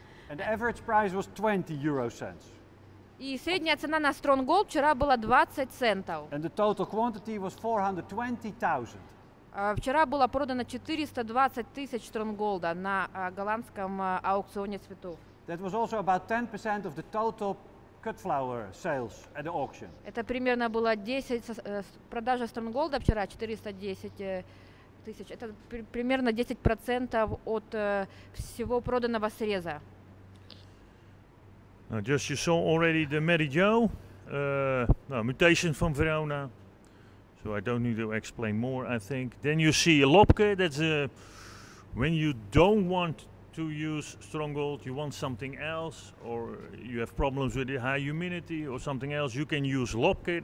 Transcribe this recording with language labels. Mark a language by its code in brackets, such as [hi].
[en] And the average price was 20 euro cents. [ru] И средняя цена на Strong Gold вчера была 20 центов. [en] And the total quantity was 420,000. [ru] Вчера было продано 420 тысяч Strong Gold на голландском аукционе цветов. [en] That was also about 10% of the total cut flower sales at the auction. [ru] Это примерно было 10 продажа Strong Gold вчера 410 тысяч. Это примерно 10% от всего проданного среза. [en] Now, just you saw already the Mary Jo, mutation from Verona. So I don't need to explain more, I think. Then you see Lopke, that's when you don't want to use strong gold, you want something else, or you have problems with the high humidity or something else, you can use Lopke.